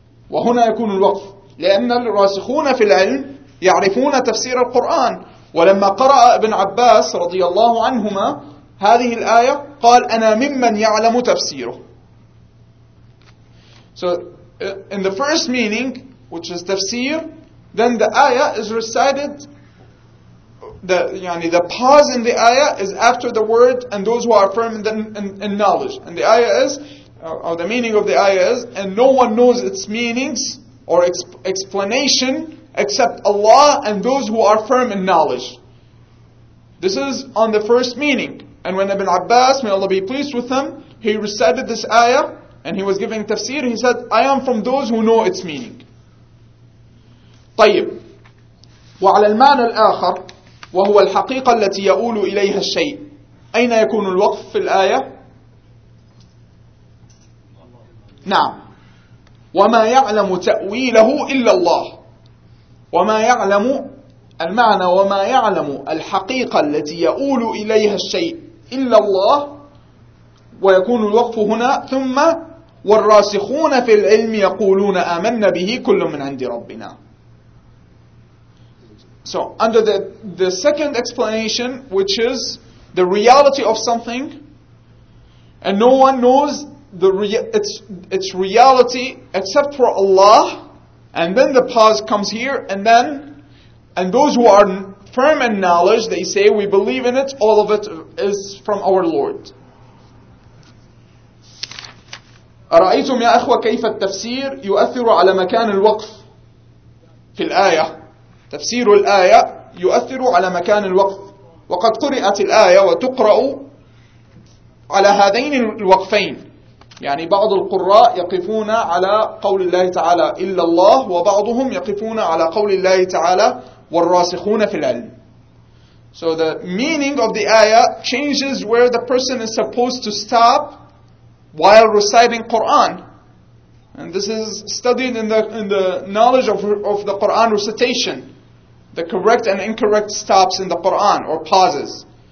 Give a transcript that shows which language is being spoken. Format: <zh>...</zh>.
<ar>وهنا يكون الوقف لأن الراسخون في العلم يعرفون تفسير القرآن. ولما قرأ ابن عباس رضي الله عنهما هذه الآية قال أنا ممن يعلم تفسيره.</ar> <en>So in the first meaning, which is tafsir, then the ayah is recited. The pause in the ayah is after the word and those who are firm in knowledge. And the ayah is, or the meaning of the ayah is, and no one knows its meanings or explanation except Allah and those who are firm in knowledge. This is on the first meaning. And when Ibn Abbas, may Allah be pleased with him, he recited this ayah and he was giving tafsir, he said, I am from those who know its meaning.</en> <ar>طيب. وعلى المعنى الآخر وهو الحقيقة التي يؤول إليها الشيء أين يكون الوقف في الآية؟ نعم. وما يعلم تأويله إلا الله. وما يعلم المعنى وما يعلم الحقيقة التي يؤول إليها الشيء إلا الله. ويكون الوقف هنا ثم والراسخون في العلم يقولون آمنا به كل من عند ربنا.</ar> <en>So under the second explanation, which is the reality of something, and no one knows its reality except for Allah, and then the pause comes here, and those who are firm in knowledge, they say we believe in it, all of it is from our Lord.</en> <ar>أرأيتم يا أخوة كيف التفسير يؤثر على مكان الوقف في الآية؟ تفسير الآية يؤثر على مكان الوقف، وقد قرأت الآية وتقرأ على هذين الوقفين، يعني بعض القراء يقفون على قول الله تعالى إلا الله، وبعضهم يقفون على قول الله تعالى والراسخون في العلم.</ar> <en>So the meaning of the ayah changes where the person is supposed to stop while reciting Quran. And this is studied in the knowledge of the Quran recitation. The correct and incorrect stops in the Quran or pauses.</en>